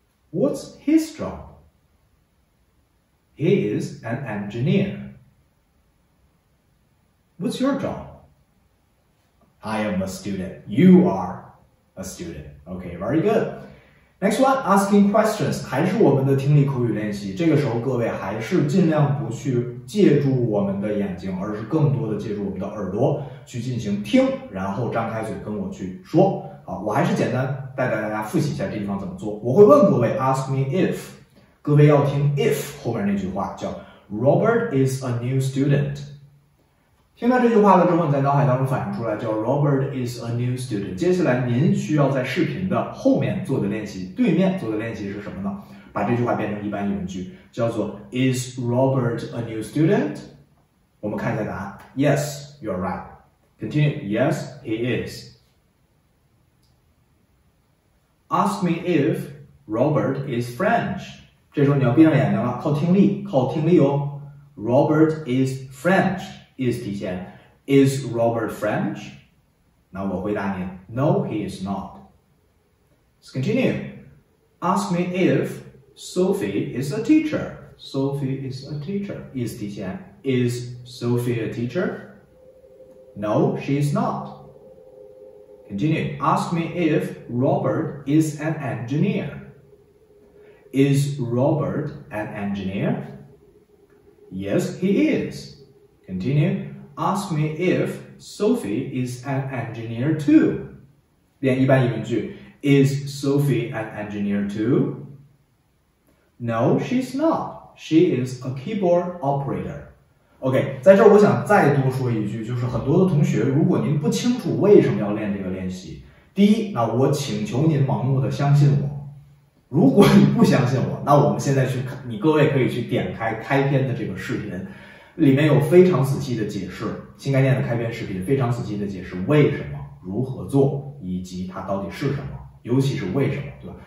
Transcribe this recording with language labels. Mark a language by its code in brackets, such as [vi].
[en] What's his job? He is an engineer. What's your job? I am a student. You are a student. Okay, very good. Next one, asking questions. [zh] 还是我们的听力口语练习。这个时候各位还是尽量不去借助我们的眼睛，而是更多的借助我们的耳朵去进行听，然后张开嘴跟我去说。好，我还是简单带大家复习一下这地方怎么做。我会问各位 [en] ask me if， [zh] 各位要听 if 后面那句话叫 [en] Robert is a new student。 [zh] 听到这句话了之后，你在脑海当中反映出来叫 [en] Robert is a new student。 [zh] 接下来您需要在视频的后面做的练习，对面做的练习是什么呢？把这句话变成一般疑问句，叫做 [en] Is Robert a new student? 我们看一下答案。Yes, you're right. Continue. Yes, he is. Ask me if Robert is French. [zh] 这时候你要闭上眼睛了，靠听力，靠听力哦。 [en] Robert is French. Is [zh] 提前 [en] Is Robert French? [zh] 那我回答你 [en] No, he is not. Let's continue. Ask me if Sophie is a teacher. Sophie is a teacher. Is [zh] 提前 [en] Is Sophie a teacher? No, she is not. Continue. Ask me if Robert is an engineer. Is Robert an engineer? Yes, he is. Continue. Ask me if Sophie is an engineer too. [zh] 练一般疑问句 [en] Is Sophie an engineer too? No, she's not. She is a keyboard operator. OK, [zh] 在这儿我想再多说一句，就是很多的同学，如果您不清楚为什么要练这个练习，第一，那我请求您盲目的相信我。如果你不相信我，那我们现在去看，你各位可以去点开开篇的这个视频。里面有非常仔细的解释，新概念的开篇视频非常仔细的解释为什么、如何做，以及它到底是什么，尤其是为什么，对吧？